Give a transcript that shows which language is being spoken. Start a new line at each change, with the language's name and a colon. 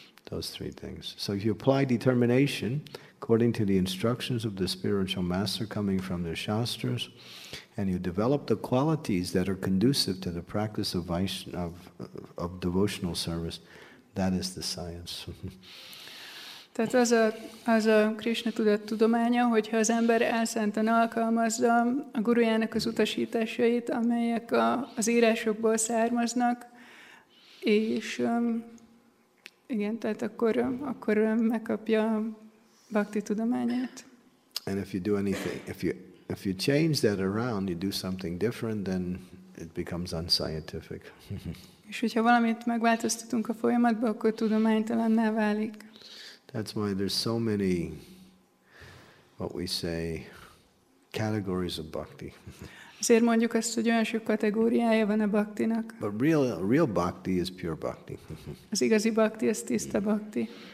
English: Those three things. So if you apply determination according to the instructions of the spiritual master coming from the shastras, and you develop the qualities that are conducive to the practice of devotional service, that is the science.
Hungarian: Tehát az a Krishna tudat tudománya, hogyha az ember elszántan alkalmazza a gurujának az utasításait, amelyek az írásokból származnak, és igen, tehát akkor megkapja bhakti tudományát.
English: And if you do anything, if you change that around, you do something different, then it becomes unscientific.
Hungarian: És hogyha valamit megváltoztatunk a folyamatba, akkor tudománytalanná válik.
English: That's why there's so many, what we say, categories of bhakti.
Hungarian: Ezért mondjuk azt, hogy olyan sok kategóriája van a bhaktinak.
English: But real bhakti is pure bhakti.
Hungarian: Az igazi bhakti az tiszta bhakti.